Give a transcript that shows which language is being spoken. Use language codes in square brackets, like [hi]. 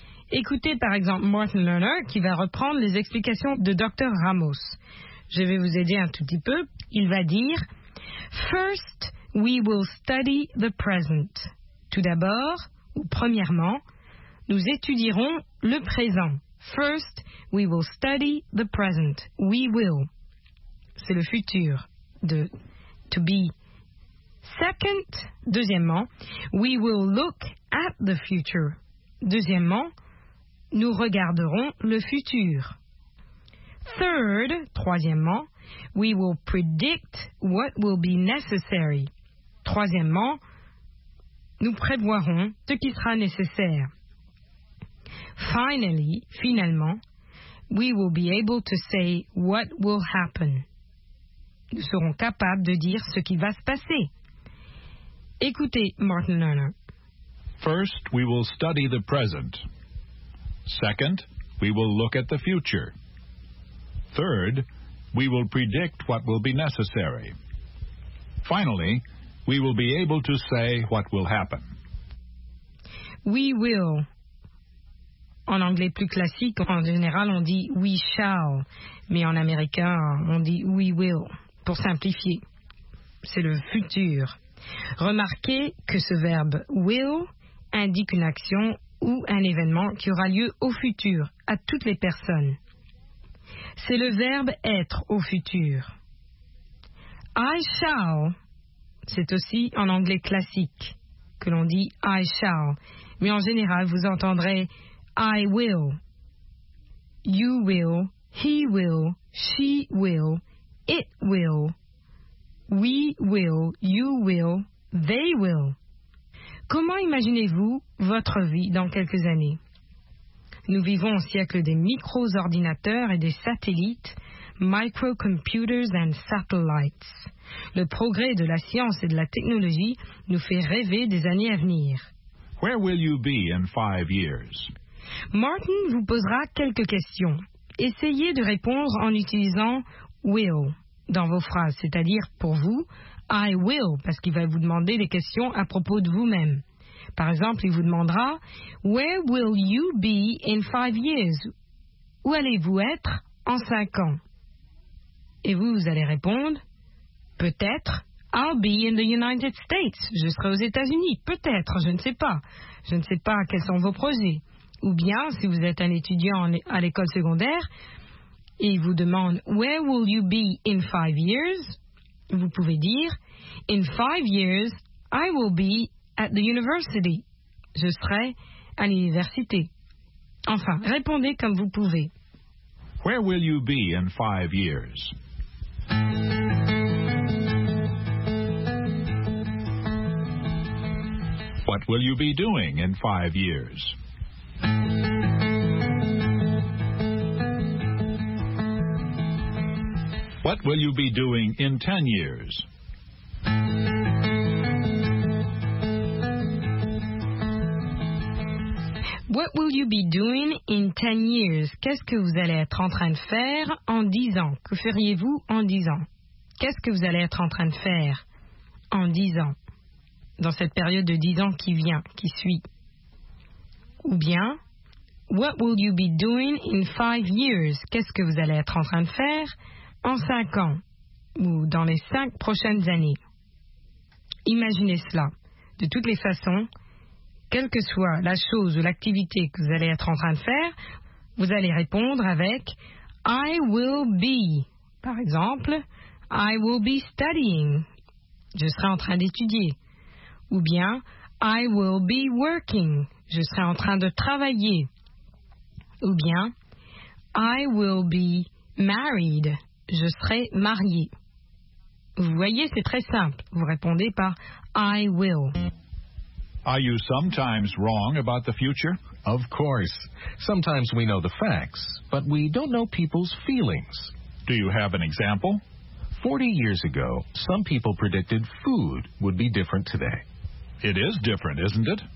[fr] Écoutez par exemple Martin Lerner qui va reprendre les explications de Dr. Ramos. Je vais vous aider un tout petit peu. Il va dire « [en] First, we will study the present. [fr] » Tout d'abord, ou premièrement, nous étudierons le présent. [en] First, we will study the present. We will. [fr] C'est le futur de [en] to be. Second, [fr] deuxièmement, [en] we will look at the future. [fr] Deuxièmement, nous regarderons le futur. [en] Third, [fr] troisièmement, [en] we will predict what will be necessary. [fr] Troisièmement, nous prévoirons ce qui sera nécessaire. [en] Finally, [fr] finalement, [en] we will be able to say what will happen. [fr] Nous serons capables de dire ce qui va se passer. Écoutez, Martin Lerner. [en] First, we will study the present. Second, we will look at the future. Third, we will predict what will be necessary. Finally, we will be able to say what will happen. We will. [fr] En anglais plus classique, en général, on dit [en] we shall. [fr] Mais en américain, on dit [en] we will. [fr] Pour simplifier, c'est le futur. Remarquez que ce verbe will indique une action ou un événement qui aura lieu au futur, à toutes les personnes. C'est le verbe être au futur. [en] I shall. [fr] C'est aussi en anglais classique que l'on dit [en] I shall. [fr] Mais en général, vous entendrez [en] I will, you will, she will, it will, we will, you will, they will. [fr] Comment imaginez-vous votre vie dans quelques années? Nous vivons au siècle des micro-ordinateurs et des satellites, [en] microcomputers and satellites. [fr] Le progrès de la science et de la technologie nous fait rêver des années à venir. [en] Where will you be in 5 years? [fr] Martin vous posera quelques questions. Essayez de répondre en utilisant will dans vos phrases, c'est-à-dire pour vous, [en] I will, [fr] parce qu'il va vous demander des questions à propos de vous-même. Par exemple, il vous demandera [en] Where will you be in 5 years? [fr] Où allez-vous être en 5 ans? Et vous, vous allez répondre Peut-être, [en] I'll be in the United States. [fr] Je serai aux États-Unis. Peut-être, je ne sais pas. Je ne sais pas quels sont vos projets. Ou bien, si vous êtes un étudiant à l'école secondaire et il vous demande [en] Where will you be in 5 years? [fr] Vous pouvez dire [en] In 5 years, I will be at the university. [fr] Je serai à l'université. Enfin, répondez comme vous pouvez. [en] Where will you be in 5 years? What will you be doing in 5 years? What will you be doing in 10 years? What will you be doing in 10 years? [fr] Qu'est-ce que vous allez être en train de faire en 10 ans? Que feriez-vous en 10 ans? Qu'est-ce que vous allez être en train de faire en 10 ans? Dans cette période de 10 ans qui vient, qui suit. Ou bien, [en] what will you be doing in 5 years? [fr] Qu'est-ce que vous allez être en train de faire en 5 ans? Ou dans les 5 prochaines années? Imaginez cela. De toutes les façons, quelle que soit la chose ou l'activité que vous allez être en train de faire, vous allez répondre avec I will be. Par exemple, [en] I will be studying. [fr] Je serai en train d'étudier. Ou bien, [en] I will be working. [fr] Je serai en train de travailler. Ou bien, [en] I will be married. [fr] Je serai marié. Vous voyez, c'est très simple. Vous répondez par [en] I will. Are you sometimes wrong about the future? Of course. Sometimes we know the facts, but we don't know people's feelings. Do you have an example? 40 years ago, some people predicted food would be different today. It is different, isn't it?